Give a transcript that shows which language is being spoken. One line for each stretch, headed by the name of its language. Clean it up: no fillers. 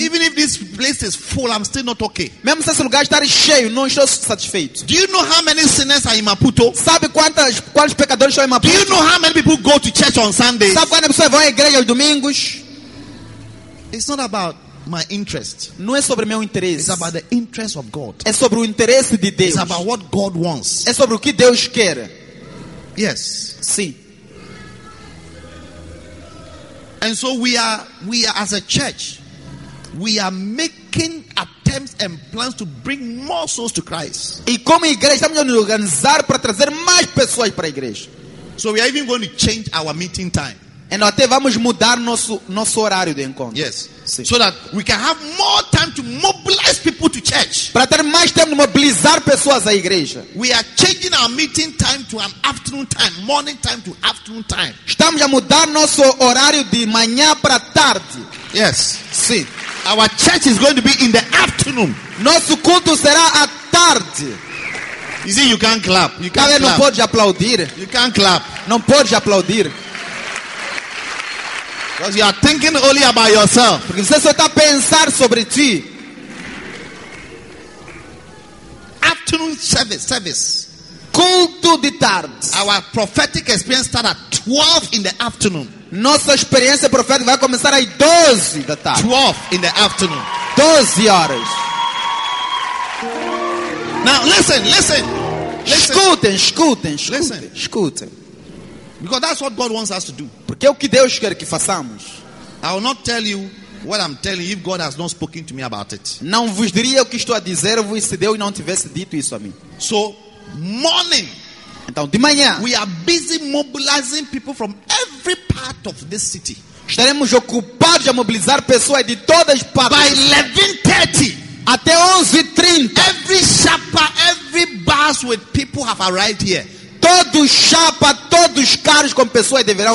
English: Even if this place is full, I'm still not okay.
Portuguese: Mesmo se esse lugar estar cheio, não estou satisfeito.
English: Do you know how many sinners are in Maputo?
Portuguese: Sabe quantos pecadores estão em Maputo?
English: Do you know how many people go to church on Sundays?
Portuguese: Sabe quantas pessoas vão à igreja aos domingos?
English: It's not about my interest.
Portuguese: Não é sobre meu interesse.
English: It's about the interest of God.
Portuguese: É sobre o interesse de Deus.
English: It's about what God wants.
Portuguese: É sobre o que Deus quer.
English: Yes.
Portuguese: Sim.
English: And so we are as a church, we are making attempts and plans to bring more souls to Christ.
Portuguese: E como igreja estamos organizar para trazer mais pessoas para a igreja.
English: So we are even going to change our meeting time.
Portuguese: And até vamos mudar nosso horário de encontro.
English: Yes.
Portuguese: Sim.
English: So that we can have more time to mobilize people to church.
Portuguese: Para ter mais tempo de mobilizar pessoas à igreja.
English: We are changing our meeting time to an afternoon time, morning time to afternoon time.
Portuguese: Estamos a mudar nosso horário de manhã para tarde.
English: Yes.
Portuguese: Sim.
English: Our church is going to be in the afternoon.
Portuguese: Nosso culto será à tarde.
English: You see, you can't clap. You can't clap.
Portuguese: Não pode aplaudir.
English: You can't clap.
Portuguese: Não pode aplaudir.
English: Because you are thinking only about yourself.
Portuguese: Porque você só está a pensar sobre ti.
English: Afternoon service.
Portuguese: Culto de tarde.
English: Our prophetic experience starts at 12 in the afternoon.
Portuguese: Nossa experiência profética vai começar às 12 da tarde.
English: 12 in the afternoon.
Portuguese: 12 horas.
English: Now listen.
Portuguese: Escutem.
English: Because that's what God wants us to do.
Portuguese: Porque é o que Deus quer que façamos.
English: I will not tell you what I'm telling you if God has not spoken to me about it.
Portuguese: Não vos diria o que estou a dizer-vos se Deus não tivesse dito isso a mim.
English: So, morning.
Portuguese: Então, de manhã.
English: We are busy mobilizing people from every part of this city.
Portuguese: Estaremos ocupados a mobilizar pessoas de todas as partes.
English: By 11:30.
Portuguese: Até 11:30.
English: Every chapa, every bus with people have arrived here.
Portuguese: Todo chapa, todos os carros com pessoas deverão